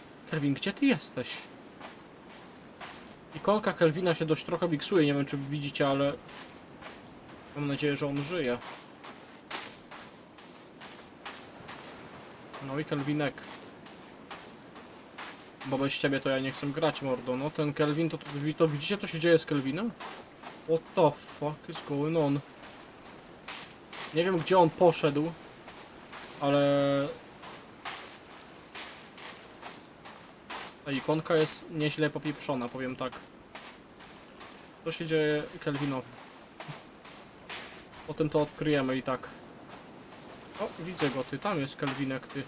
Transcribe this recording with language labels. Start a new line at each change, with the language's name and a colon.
Polish: Kelvin, gdzie ty jesteś? Ikonka Kelvina się dość trochę miksuje, nie wiem czy widzicie, ale... Mam nadzieję, że on żyje. No i Kelvinek. Bo bez ciebie to ja nie chcę grać, mordo. No ten Kelvin, to widzicie co się dzieje z Kelvinem?
English: What the fuck is going on?
Polish: Nie wiem gdzie on poszedł. Ale... Ta ikonka jest nieźle popieprzona, powiem tak. Co się dzieje Kelvinowi? Potem to odkryjemy i tak. O, widzę go, ty, tam jest Kelvinek, ty.